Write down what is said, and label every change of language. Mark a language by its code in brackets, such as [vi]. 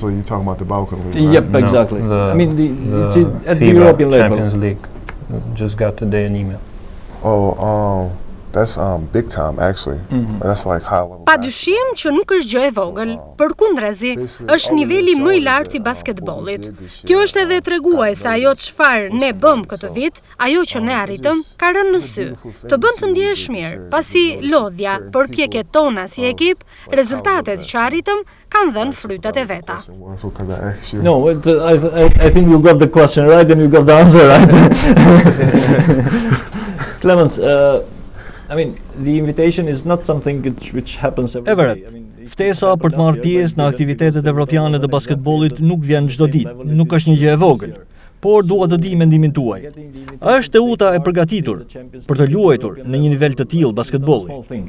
[en] So you're talking about the Balkan League? Yep, right? Exactly. No, I mean the European Champions level. Champions League. Just got today an email. Oh, that's big time actually. Mm-hmm. That's like high level. [sq] Padyshim që nuk është gjë e vogël. Përkundrazi, është niveli më I lartë I basketbollit. Kjo është edhe treguese ajo çfarë ne bëm këtë vit, ajo që ne arritëm ka rënë në sy. Të bën të ndihesh mirë, pasi lodhja, përpjekjet tona si ekip, rezultatet që arritëm kanë dhënë frytet e veta. [en] No, I think you got the question right and you got the answer right. Clemens, I mean, the invitation is not something which happens every day. [sq] Everett, ftesa për të marrë pjesë në aktivitetet evropiane të basketbollit nuk vjen çdo ditë, nuk është një gjë e vogël. Por dua të di mendimin tuaj. A është Teuta e përgatitur për të luajtur në një nivel të tillë basketbolli?